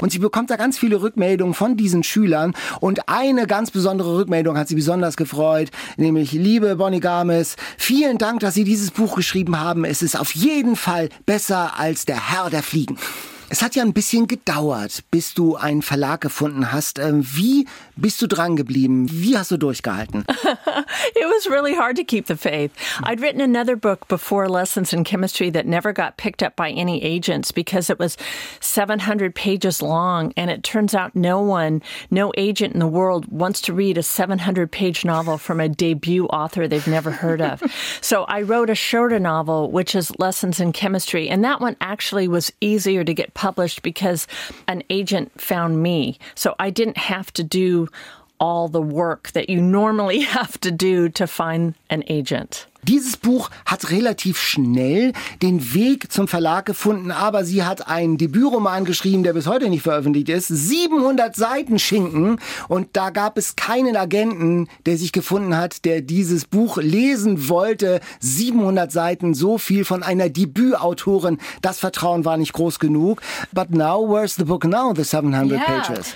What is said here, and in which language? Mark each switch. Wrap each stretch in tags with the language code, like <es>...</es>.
<de>Und sie bekommt da ganz viele Rückmeldungen von diesen Schülern. Und eine ganz besondere Rückmeldung hat sie besonders gefreut, nämlich: "Liebe Bonnie Garmus, vielen Dank, dass Sie dieses Buch geschrieben haben. Es ist auf jeden Fall besser als Der Herr der Fliegen." Es hat ja ein bisschen gedauert, bis du einen Verlag gefunden hast. Wie bist du dran geblieben? Wie hast du durchgehalten?</de> <en>It was really hard to keep the faith. I'd written another book before Lessons in Chemistry that never got picked up by any agents because it was 700 pages long. And it turns out no one, no agent in the world wants to read a 700-page novel from a debut author they've never heard of. So I wrote a shorter novel, which is Lessons in Chemistry. And that one actually was easier to get published because an agent found me. So I didn't have to do all the work that you normally have to do to find an agent.</en> <de>Dieses Buch hat relativ schnell den Weg zum Verlag gefunden, aber sie hat einen Debütroman geschrieben, der bis heute nicht veröffentlicht ist. 700 Seiten Schinken, und da gab es keinen Agenten, der sich gefunden hat, der dieses Buch lesen wollte. 700 Seiten, so viel von einer Debütautorin. Das Vertrauen war nicht groß genug.</de> <en>But now, where's the book now, the 700 pages?</en>